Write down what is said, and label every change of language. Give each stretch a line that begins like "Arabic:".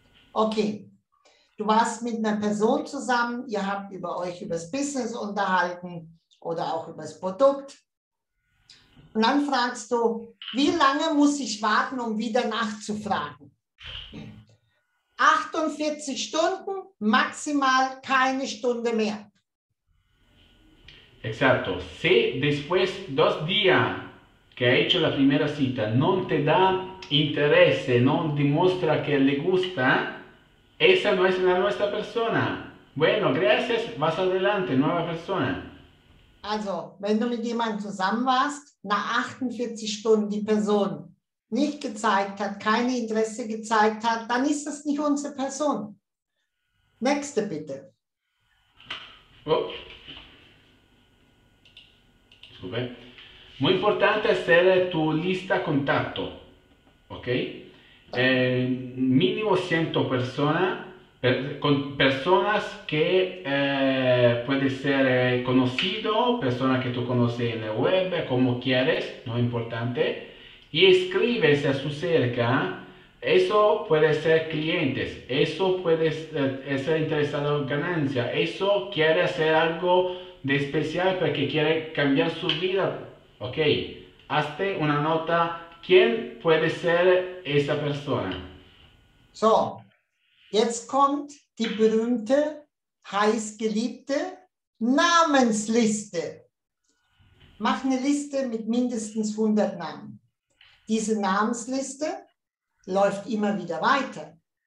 German: Ok,
Spanish: tú vas con una persona
German: zusammen, ihr habt über euch, über das Business unterhalten. Oder auch über das Produkt. Und dann fragst du, wie lange muss ich warten, um wieder nachzufragen? 48 Stunden, maximal keine Stunde mehr.
Spanish: Exacto. Si después dos días que ha hecho la primera cita
Italian: non te da interesse, non dimostra che
Spanish: le gusta, esa no es la nuestra persona. Bueno, gracias, vas adelante, nueva persona.
German: Also, wenn du mit jemandem zusammen warst, nach 48 Stunden die Person nicht gezeigt hat, kein Interesse gezeigt hat, dann ist das nicht unsere Person. Nächste bitte. Oh. Super.
Spanish: Muy importante hacer tu lista contacto. Okay? Mínimo 100 personas. Con personas que puede ser conocido, personas que tú conoces en el web, como quieres, no es importante. Y escríbese a su cerca, eso puede ser clientes, eso puede ser interesado en ganancia, eso quiere hacer algo de especial porque quiere cambiar su vida. Ok, hazte una nota, ¿quién puede ser esa persona?
German: So. Jetzt kommt die berühmte, heißgeliebte Namensliste. Mach eine Liste mit mindestens 100 Namen. Diese Namensliste läuft immer wieder weiter.